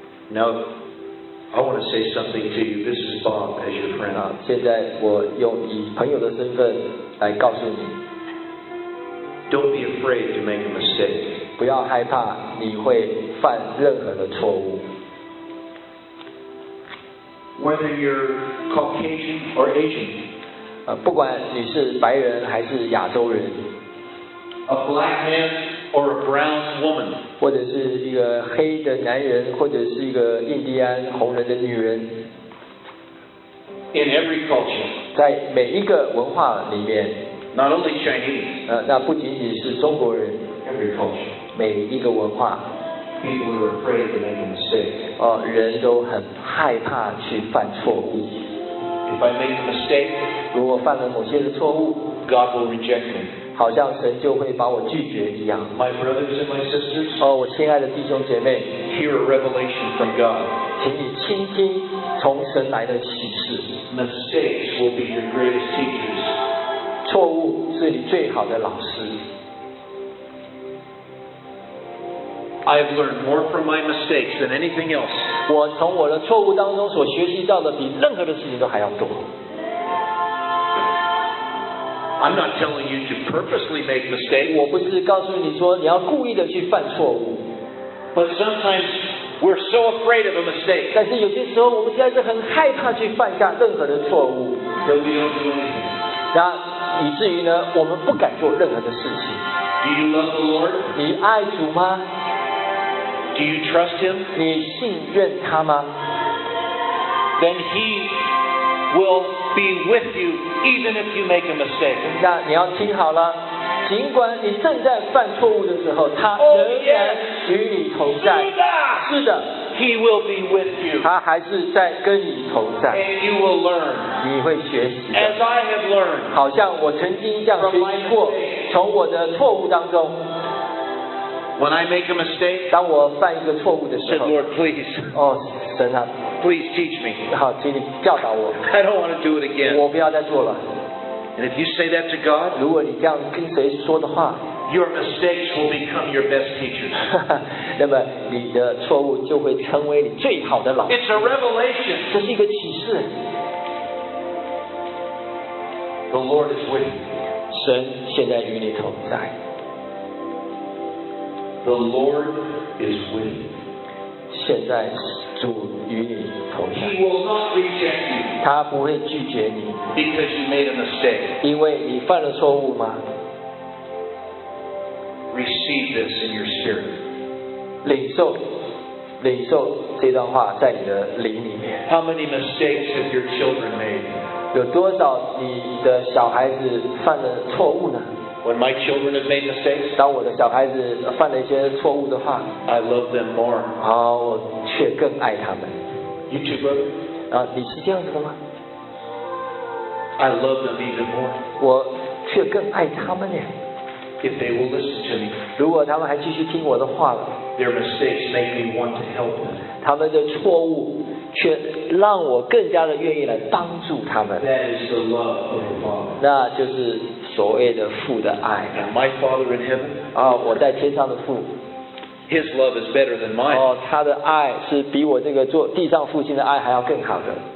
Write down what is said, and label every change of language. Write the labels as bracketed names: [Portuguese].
[English] Now, I want to say something to you. This is Bob as your friend。 [Chinese] 现在我用以朋友的身份来告诉你。 [English] Don't be afraid to make a mistake。 [Chinese] 不要害怕你会犯任何的错误。 [English] Whether you're Caucasian or Asian。 [Chinese] 不管你是白人还是亚洲人。 [English] A black man or a brown woman， [Chinese] 或者是一个黑的男人，或者是一个印第安红人的女人。 [English] In every culture， [Chinese] 在每一个文化里面。 [English] Not only Chinese， [Chinese] 那不仅仅是中国人。 [English] Every culture， [Chinese] 每一个文化。 [English] People are afraid to make a mistake， [Chinese] 人都很害怕去犯错误。 [English] If I make a mistake， [Chinese] 如果犯了某些的错误 [English] ，God will reject me。 [Chinese] 好像神就会把我拒绝一样。 [English] My brothers and my sisters， [Chinese] 我亲爱的弟兄姐妹 [English] ，Hear a revelation from God， [Chinese] 请你倾听从神来的启示。 [English] Mistakes will be your greatest teachers， [Chinese] 错误是你最好的老师。 [English] I've learned more from my mistakes than anything else. [Chinese] 我从我的错误当中所学习到的比任何的事情都还要多。 [English] I'm not telling you to purposely make mistakes. [Chinese] 我不是告诉你说你要故意的去犯错误。 [English] But sometimes we're so afraid of a mistake. [Chinese] 但是有些时候我们实在是很害怕去犯下任何的错误。 [English] That we don't do anything. [Chinese] 那以至于呢，我们不敢做任何的事情。 [English] Do you love the Lord? [Chinese] 你爱主吗？ [English] Do you trust him? [Chinese] 你信任他吗？ [English] Then he will be with you even if you make a mistake. [Chinese] 那你要听好了，尽管你正在犯错误的时候，他仍然与你同在。 [English] Oh, yes. [Chinese] 是的， [English] he will be with you. [Chinese] 他还是在跟你同在。 [English] And you will learn. [Chinese] 你会学习的。 [English] As I have learned. [Chinese] 好像我曾经这样学习过，从我的错误当中。 [English] When I make a mistake, [Chinese] 当我犯一个错误的时候 [English] said, Lord, please, [Chinese] 哦，神啊 [English] please teach me. [Chinese] 好，请你教导我。 [English] I don't want to do it again. [Chinese] 我不要再做了。 [English] And if you say that to God, [Chinese] 如果你这样跟谁说的话 [English] your mistakes will become your best teachers. [Chinese] 那么你的错误就会成为你最好的老师。 [English] It's a revelation. [Chinese] 这是一个启示。 [English] The Lord is with you. [Chinese] 神现在与你同在。 [English] The Lord is with you. [Chinese] 现在主与你同在。 [English] He will not reject you. [Chinese] 他不会拒绝你。 [English] Because you made a mistake. [Chinese] 因为你犯了错误吗？ [English] Receive this in your spirit. [Chinese] 领受，领受这段话在你的灵里面。 [English] How many mistakes have your children made? [Chinese] 有多少你的小孩子犯了错误呢？ [English] When my children have made mistakes, [Chinese] 当我的小孩子犯了一些错误的话 [English] I love them more. [Chinese] 好，我却更爱他们。 [English] You too, brother. [Chinese] 你是这样子的吗？ [English] I love them even more. [Chinese] 我却更爱他们耶。 [English] If they will listen to me, [Chinese] 如果他们还继续听我的话了 [English] their mistakes make me want to help them. [Chinese] 他们的错误却让我更加的愿意来帮助他们。 [English] That is the love of the Father. [Chinese] 那就是所谓的父的爱。 [English] My Father in heaven. [Chinese] 啊，我在天上的父。 [English] His love is better than mine. [Chinese] 哦，他的爱是比我这个做地上父亲的爱还要更好的。